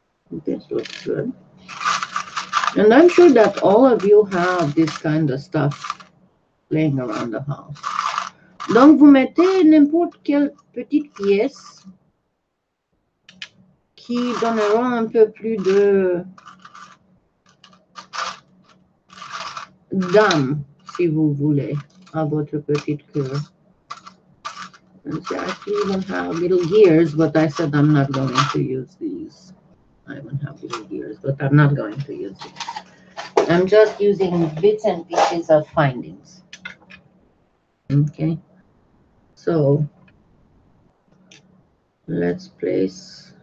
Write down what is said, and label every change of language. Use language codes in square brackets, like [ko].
[en] This looks good. And I'm sure that all of you have this kind of stuff laying around the house. [fr] Donc, vous mettez n'importe quelle petite pièce qui donneront un peu plus de d'âme, si vous voulez, à votre petite cœur. [en] And see, I actually even have little gears, but I said I'm not going to use these. I even have little gears, but I'm not going to use it. I'm just using bits and pieces of findings. Okay, so let's place.